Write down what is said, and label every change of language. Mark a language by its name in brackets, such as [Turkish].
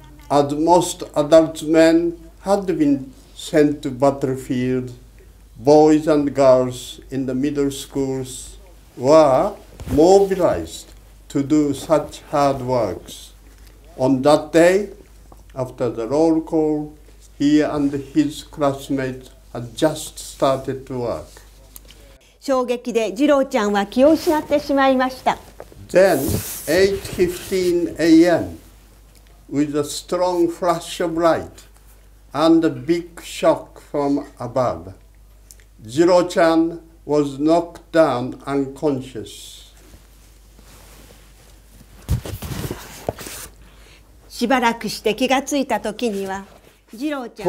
[English] As most adult men had been sent to battlefield, boys and girls in the middle schools were mobilized to do such hard works. On that day, after the roll call, he and his classmates had just started to work. [Japanese] 衝撃で次郎ちゃんは気を失ってしまいました。 [English] Then, 8:15 a.m., with a strong flash of light and a big shock from above, 次郎ちゃん was knocked down unconscious. [Japanese] しばらくして気がついたときには、次郎ちゃん